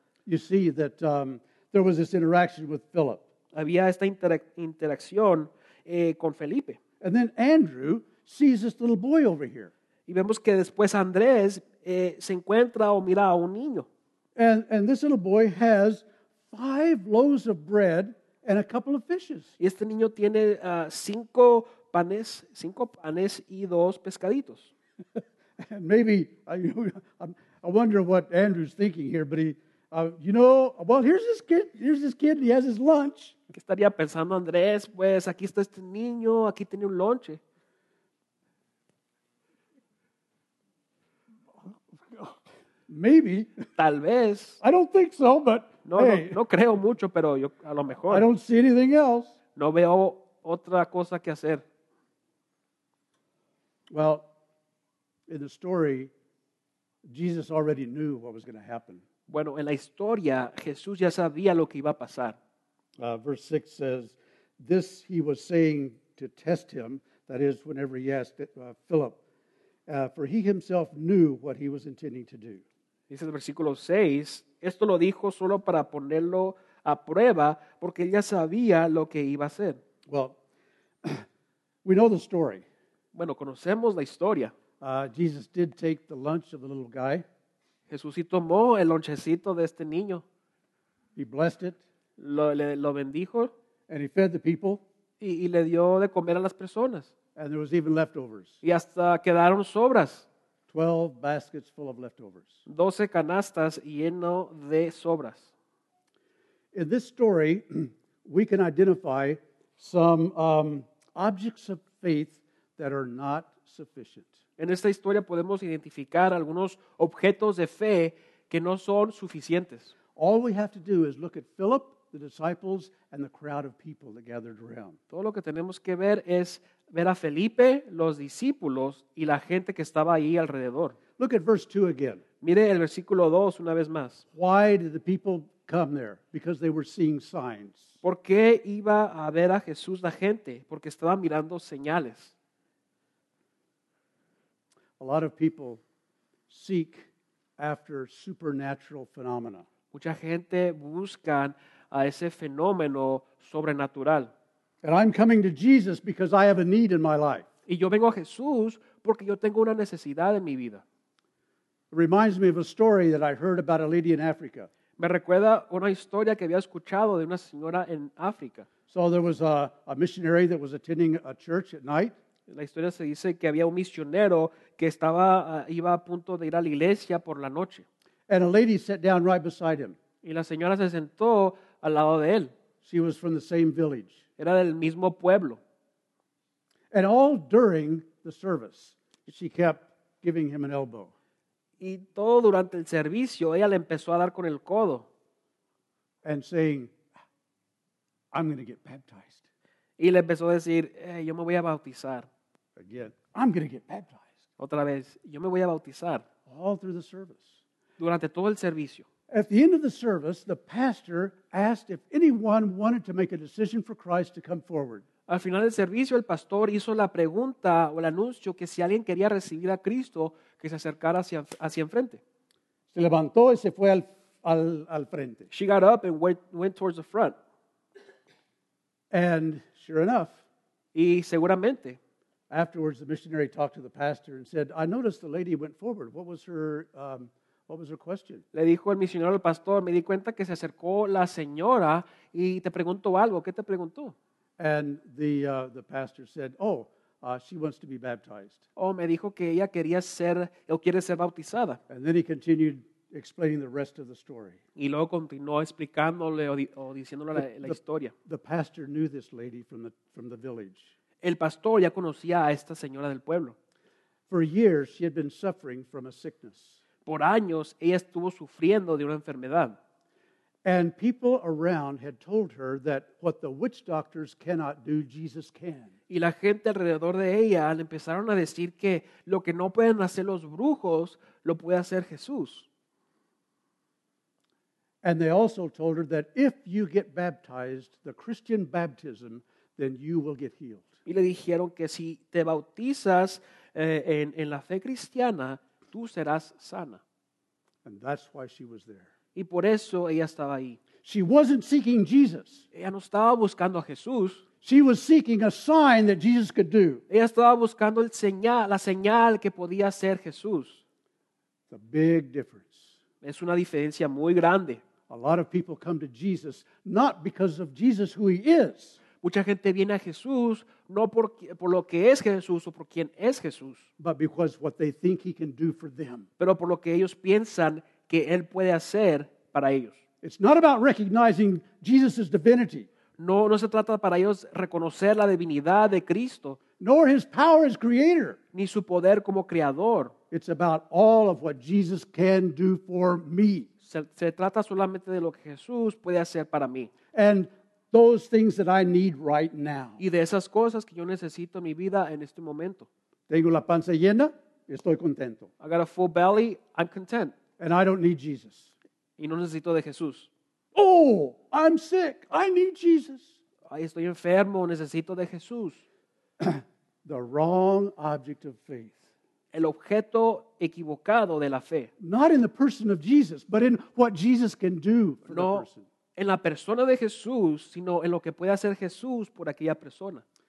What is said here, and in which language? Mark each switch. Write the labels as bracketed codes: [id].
[en] you see that there was this interaction with Philip. [es] Había esta interacción con Felipe. [en] And then Andrew sees this little boy over here. [es] Y vemos que después Andrés se encuentra o mira a un niño. [en] And this little boy has 5 loaves of bread and a couple of fishes. [es] Y este niño tiene 5 panes, 5 panes y 2 pescaditos. [en] And maybe I wonder what Andrew's thinking here, but here's this kid, and he has his lunch. [es] ¿Qué estaría pensando Andrés? Pues aquí está este niño, aquí tiene un lunch. [en] Maybe. [es] Tal vez. [en] I don't think so, but [es] no, hey. No creo mucho, pero yo a lo mejor. [en] I don't see anything else. [es] No veo otra cosa que hacer. [en] Well, in the story, Jesus already knew what was going to happen. [es] Bueno, en la historia, Jesús ya sabía lo que iba a pasar. [en] Verse 6 says, "This he was saying to test him, that is, whenever he asked Philip, for he himself knew what he was intending to do." [es] Dice el versículo 6, esto lo dijo solo para ponerlo a prueba, porque él ya sabía lo que iba a hacer. [en] Well, we know the story. [es] Bueno, conocemos la historia. [en] Jesus did take the lunch of the little guy. [es] Jesús sí tomó el lonchecito de este niño. [en] He blessed it. [es] Lo bendijo. [en] And he fed the people. [es] Y le dio de comer a las personas. [en] And there was even leftovers. [es] Y hasta quedaron sobras. [en] 12 baskets full of leftovers. [es] 12 canastas lleno de sobras. [en] In this story, we can identify some objects of faith that are not sufficient. [es] En esta historia podemos identificar algunos objetos de fe que no son suficientes. [en] All we have to do is look at Philip, the disciples, and the crowd of people that gathered around. [es] Todo lo que tenemos que ver es ver a Felipe, los discípulos, y la gente que estaba ahí alrededor. [en] Look at verse 2 again. [es] Mire el versículo 2 una vez más. [en] Why did the people come there? Because they were seeing signs. [es] ¿Por qué iba a ver a Jesús la gente? Porque estaba mirando señales. [en] A lot of people seek after supernatural phenomena. [es] Mucha gente buscan a ese fenómeno sobrenatural. [en] And I'm coming to Jesus because I have a need in my life. [es] Y yo vengo a Jesús porque yo tengo una necesidad en mi vida. [en] It reminds me of a story that I heard about a lady in Africa. [es] Me recuerda una historia que había escuchado de una señora en África. [en] So there was a missionary that was attending a church at night. [es] La historia se dice que había un misionero que estaba iba a punto de ir a la iglesia por la noche. [en] And a lady sat down right beside him. [es] Y la señora se sentó al lado de él. [en] She was from the same village. [es] Era del mismo pueblo. [en] And all during the service, she kept giving him an elbow. [es] Y todo durante el servicio, ella le empezó a dar con el codo. [en] And saying, I'm going to get baptized. [es] Y le empezó a decir, hey, yo me voy a bautizar. [en] Again, I'm going to get baptized. [es] Otra vez, yo me voy a bautizar. [en] All through the service. [es] Durante todo el servicio. [en] At the end of the service, the pastor asked if anyone wanted to make a decision for Christ to come forward. [es] Al final del servicio, el pastor hizo la pregunta o el anuncio que si alguien quería recibir a Cristo, que se acercara hacia enfrente. Se levantó y se fue al frente. [en] She got up and went towards the front. And sure enough, [es] y seguramente, [en] afterwards the missionary talked to the pastor and said, I noticed the lady went forward. What was her question? [es] Le dijo el misionero al pastor, me di cuenta que se acercó la señora y te preguntó algo. ¿Qué te preguntó? [en] And the pastor said, oh, she wants to be baptized. [es] Oh, me dijo que ella quería ser o quiere ser bautizada. [en] And then he continued explaining the rest of the story. [es] Y luego continuó explicándole o diciéndole la historia. [en] The pastor knew this lady from the village. [es] El pastor ya conocía a esta señora del pueblo. [en] For years she had been suffering from a sickness. [es] Por años ella estuvo sufriendo de una enfermedad. [en] And people around had told her that what the witch doctors cannot do, Jesus can. [es] Y la gente alrededor de ella le empezaron a decir que lo que no pueden hacer los brujos lo puede hacer Jesús. [en] And they also told her that if you get baptized, the Christian baptism, then you will get healed. [es] Y le dijeron que si te bautizas en la fe cristiana, tú serás sana. [en] And that's why she was there. [es] Y por eso ella estaba ahí. [en] She wasn't seeking Jesus. [es] Ella no estaba buscando a Jesús. [en] She was seeking a sign that Jesus could do. [es] Ella estaba buscando la señal que podía hacer Jesús. [en] It's a big difference. [es] Es una diferencia muy grande. [en] A lot of people come to Jesus not because of Jesus who he is. [es] Mucha gente viene a Jesús no por lo que es Jesús o por quién es Jesús, [en] but because what they think he can do for them. [es] Pero por lo que ellos piensan que él puede hacer para ellos. [en] It's not about recognizing Jesus's divinity. [es] No se trata para ellos reconocer la divinidad de Cristo. [en] Nor his power as creator. [es] Ni su poder como creador. [en] It's about all of what Jesus can do for me. [es] Se trata solamente de lo que Jesús puede hacer para mí. [en] And those things that I need right now. [es] Y de esas cosas que yo necesito en mi vida en este momento. Tengo la panza llena, estoy contento. [en] I got a full belly, I'm content. And I don't need Jesus. [es] Y no necesito de Jesús. [en] Oh, I'm sick. I need Jesus. [es] Ay, estoy enfermo. Necesito de Jesús. [en] The wrong object of faith. [es] El objeto equivocado de la fe. [en] Not in the person of Jesus, but in what Jesus can do for [es] no, [en] the person. [es] En la persona de Jesús, sino en lo que puede hacer Jesús por aquella persona.